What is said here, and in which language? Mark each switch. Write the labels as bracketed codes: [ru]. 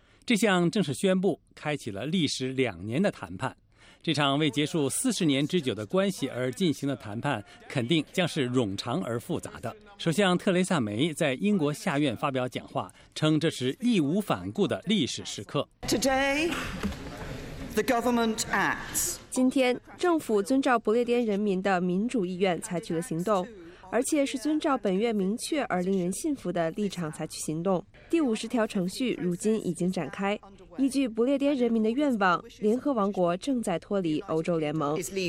[zh] 这项正式宣布开启了历时2年的谈判。这场为结束40年之久的关系而进行的谈判肯定将是冗长而复杂的。首相特蕾萨梅在英国下院发表讲话，称这是义无反顾的历史时刻。 [en] Today, the government acts. [zh] 今天政府遵照不列颠人民的民主意愿采取了行动，而且是遵照本月明确而令人信服的立场采取行动。第五十条程序如今已经展开，依据不列颠人民的愿望，联合王国正在脱离欧洲联盟。